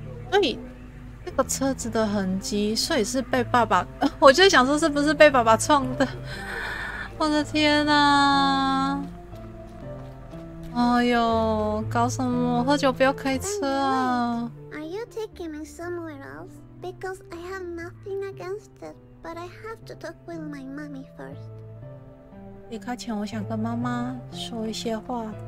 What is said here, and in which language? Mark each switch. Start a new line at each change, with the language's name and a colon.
Chinese: 所以这个车子的痕迹，所以是被爸爸，我就想说是不是被爸爸撞的？我的天哪、啊！哎呦，搞什么？喝酒不要开车啊！
English: Are you taking me somewhere else because I have nothing against it, but I have to talk with my mommy first.
Chinese: 离开前，我想跟妈妈说一些话。